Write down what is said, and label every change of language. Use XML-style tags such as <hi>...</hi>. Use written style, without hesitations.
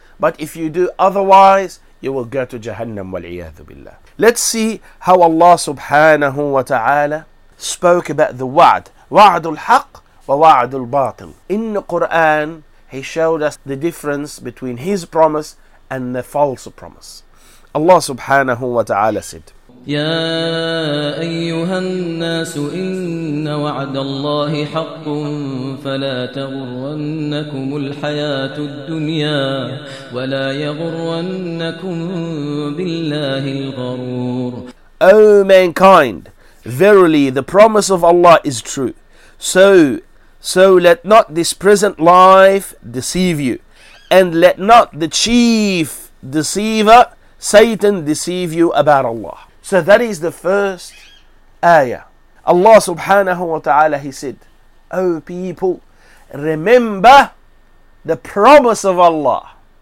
<en>But if you do otherwise, you will go to Jahannam wal-iyadhu billah. Let's see how Allah subhanahu wa ta'ala spoke about the wa'd.</en> <ar>Wa'adul haqq wa wa'adul batil.</ar> <en>In the Quran, he showed us the difference between his promise and the false promise. Allah subhanahu wa ta'ala said,</en> <ar>يا أيها الناس إن وعد الله حق فلا تغرنكم الحياة الدنيا ولا يغرنكم بالله الغرور.</ar> <en>O mankind, verily the promise of Allah is true. So So let not this present life deceive you, and let not the chief deceiver, Satan, deceive you about Allah. So that is the first ayah. Allah subhanahu wa ta'ala, he said, O people, remember the promise of Allah.</en>